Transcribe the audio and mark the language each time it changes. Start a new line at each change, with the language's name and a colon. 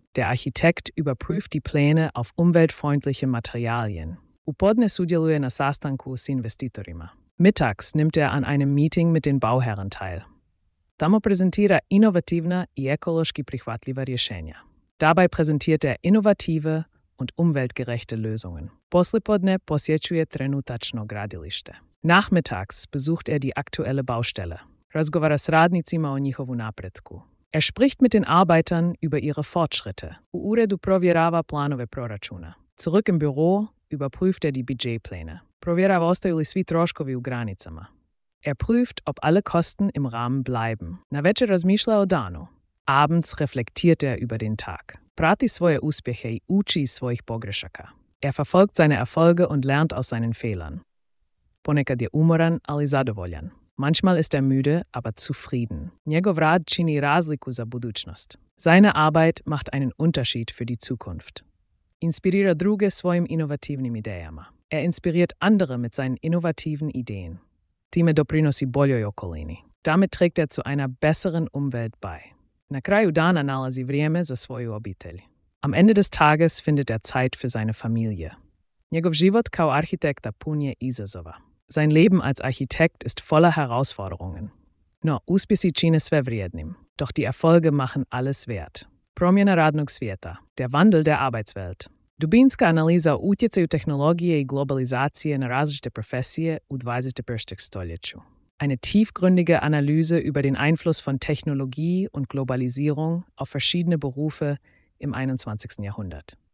German: Der Architekt überprüft die Pläne auf umweltfreundliche Materialien.
Croatian: U podne sudjeluje na sastanku s investitorima.
German: Mittags nimmt er an einem Meeting mit den Bauherren teil.
Croatian: Tamo präsentira inovativna i ekološki prihvatljiva rješenja.
German: Dabei präsentiert er innovative und umweltgerechte Lösungen.
Croatian: Poslipodne posjećuje trenutačno gradilište.
German: Nachmittags besucht er die aktuelle Baustelle.
Croatian: Razgovara s radnicima o njihovu napretku.
German: Er spricht mit den Arbeitern über ihre Fortschritte.
Croatian: U uredu provjerava planove proračuna.
German: Zurück im Büro überprüft er die Budgetpläne.
Croatian: Provjerava ostaju li svi troškovi u granicama.
German: Er prüft, ob alle Kosten im Rahmen bleiben.
Croatian: Na večer razmišlja o danu.
German: Abends reflektiert er über den Tag.
Croatian: Prati svoje uspjehe i uči svojih pogrešaka.
German: Er verfolgt seine Erfolge und lernt aus seinen Fehlern.
Croatian: Ponekad je umoran, ali zadovoljan.
German: Manchmal ist er müde, aber zufrieden.
Croatian: Njegov rad čini razliku za budućnost.
German: Seine Arbeit macht einen Unterschied für die Zukunft.
Croatian: Inspirira druge svojim inovativnim idejama.
German: Er inspiriert andere mit seinen innovativen Ideen.
Croatian: Time doprinosi boljoj okolini.
German: Damit trägt er zu einer besseren Umwelt bei.
Croatian: Na kraju dana nalazi vrijeme za svoju obitelj.
German: Am Ende des Tages findet er Zeit für seine Familie.
Croatian: Njegov život kao arhitekta pun je izazova.
German: Sein Leben als Architekt ist voller Herausforderungen.
Croatian: No, uspjesi čine sve vrijednim.
German: Doch die Erfolge machen alles wert.
Croatian: Promjena radnog svijeta.
German: Der Wandel der Arbeitswelt.
Croatian: Dubinska analiza o utjecaju tehnologije i globalizacije na različite profesije u 21. stoljeću.
German: Eine tiefgründige Analyse über den Einfluss von Technologie und Globalisierung auf verschiedene Berufe im 21. Jahrhundert.